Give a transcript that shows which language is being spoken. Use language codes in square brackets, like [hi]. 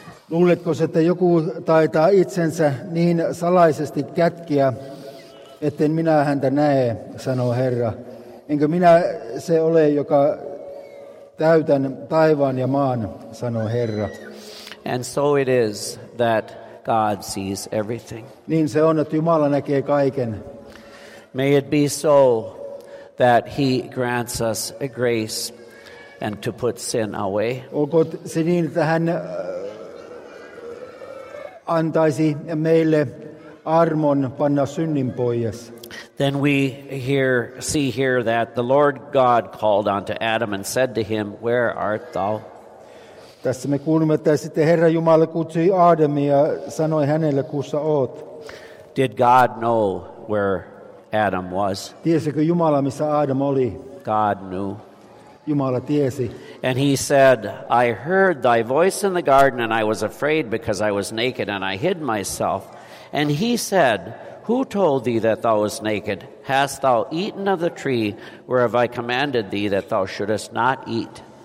[fi] Luuletko, että joku taitaa itsensä niin salaisesti kätkiä, etten minä häntä näe, sanoo Herra. Enkö minä se ole, joka täytän taivaan ja maan, sanoo Herra. [en] And so it is that God sees everything. [fi] Niin se on, että Jumala näkee kaiken. [en] May it be so that he grants us a grace and to put sin away. [fi] Olkoon se niin, että hän antaisi meille armon panna synnin pois. [en] Then we see here that the Lord God called unto Adam and said to him, "Where art thou?" [fi] Tässä me kuulimme, että sitten Herra Jumala kutsui Aadamia ja sanoi hänelle, kussa oot. [en] Did God know where Adam was? [fi] Tiesikö Jumala, missä Aadam oli? [en] God knew. [fi] Jumala tiesi. [en] And he said, "I heard thy voice in the garden, and I was afraid because I was naked, and I hid myself." And he said, "Who told thee that thou wast naked? Hast thou eaten of the tree whereof I commanded thee that thou shouldest not eat?"